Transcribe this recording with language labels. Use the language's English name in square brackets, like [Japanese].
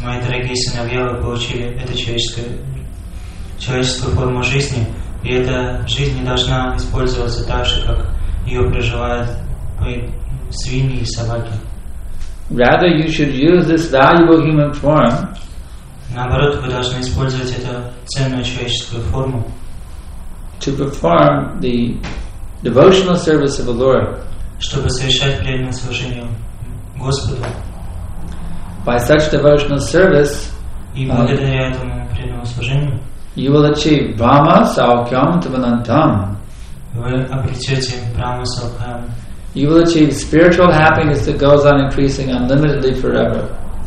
[Russian] Мои дорогие сыновья, вы получили эту человеческую форму жизни, и эта жизнь не должна использоваться так же, как ее проживают свиньи и собаки. [English] Rather, you should use this valuable human form. [Russian] Наоборот, вы должны использовать эту ценную человеческую форму. [English] To perform the devotional service of the Lord. [Russian] Чтобы совершать преданное служение Господу. [English] By such devotional service, you will achieve [Sanskrit] Brahma Saukhyam Tvanantam. [English] You will achieve spiritual happiness that goes on increasing unlimitedly forever.